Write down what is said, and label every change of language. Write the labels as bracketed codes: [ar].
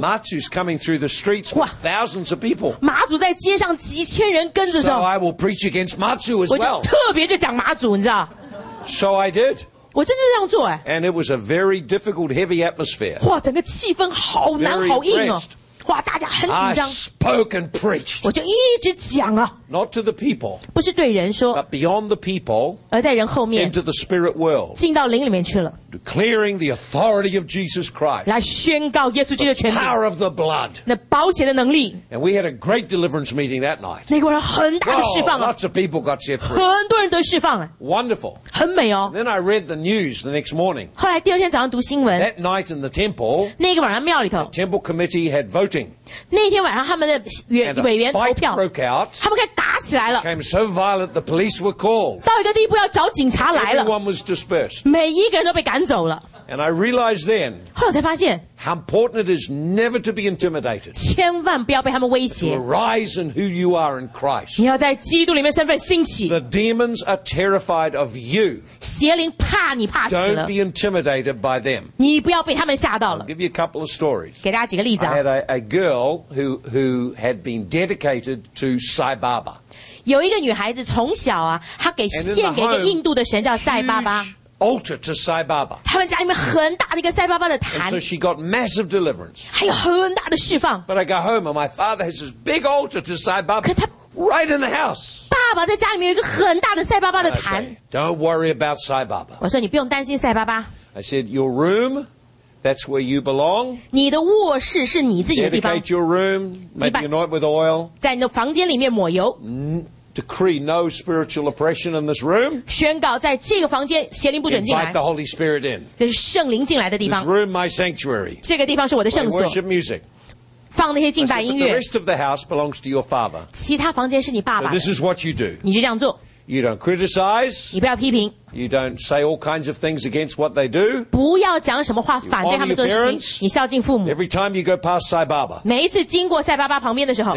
[en] So, Matsu's coming through the streets with thousands of people. [zh] 马祖在街上几千人跟着。 [en] So I will preach against Matsu as well. [zh] 我就特别就讲马祖, 你知道? [en] So I did. [zh] 我真的是这样做, [en] and it was a very difficult, heavy atmosphere. [zh] 哇, 整个气氛好难, very 好硬哦。哇, 大家很紧张。 [en] I spoke and preached. [zh] 我就一直讲啊。 [en] Not to the people, [zh] 不是对人说, [en] but beyond the people, [zh] 而在人后面, [en] into the spirit world, [zh] 进到灵里面去了, [en] declaring the authority of Jesus Christ, [zh] 来宣告耶稣基督的权柄, [en] the power of the blood, [zh] 那保险的能力, [en] and we had a great deliverance meeting that night. [zh] 那个人很大的释放啊, [en] Whoa, lots of people got set free. [zh] 很多人都释放啊, [en] wonderful. [zh] 很美哦。 [en] Then I read the news the next morning. [zh] 后来第二天早上读新闻, [en] that night in the temple, [zh] 那个晚上庙里头, [en] the temple committee had voting. [zh] 那天晚上他们的委员投票, [en] broke out, [zh] 他们开始打起来了, [en] became so violent the police were called, [zh] 到一个地步要找警察来了, [en] everyone was dispersed, [zh] 每一个人都被赶走了, [en] and I realized then, [zh] 后来才发现, [en] how important it is never to be intimidated, [zh] 千万不要被他们威胁, [en] to arise in who you are in Christ, [zh] 你要在基督里面身份兴起, [en] the demons are terrified of you, [zh] 邪灵怕你怕死了, [en] don't be intimidated by them, [zh] 你不要被他们吓到了, [en] I'll give you a couple of stories, [zh] 给大家几个例子啊, [en] I had a girl who had been dedicated to Sai Baba, [zh] 有一个女孩子从小啊, 她献给一个印度的神叫Sai Baba, [en] altar to Sai Baba. [zh] 他们家里面很大的一个塞巴巴的坛。 [en] And so she got massive deliverance. [zh] 还有很大的释放。 [en] But I go home and my father has this big altar to Sai Baba. [zh] 可他, [en] right in the house. [zh] 爸爸在家里面有一个很大的塞巴巴的坛。 [en] Don't worry about Sai Baba. [zh] 我说你不用担心塞巴巴。 [en] I said, your room, that's where you belong. [zh] 你的卧室是你自己的地方。 [en] Dedicate your room, maybe anoint with oil. [zh] 在你的房间里面抹油。 [en] Decree no spiritual oppression in this room. [zh] 宣告在这个房间, 邪灵不准进来, [en] invite the Holy Spirit in. [zh] 这是圣灵进来的地方, [en] this room, my sanctuary. [zh] 这个地方是我的圣所, [en] play worship music. [zh] 放那些敬拜音乐, [en] I said, but the rest of the house belongs to your father. [zh] 其他房间是你爸爸的, [en] so this is what you do. [zh] 你就这样做, [en] you don't criticize. [zh] 你不要批评, [en] you don't say all kinds of things against what they do. [zh] 不要讲什么话, you 反对他们做的事情, [en] parents, [zh] 你孝敬父母, [en] every time you go past Sai Baba, [zh] 每一次经过塞巴巴旁边的时候,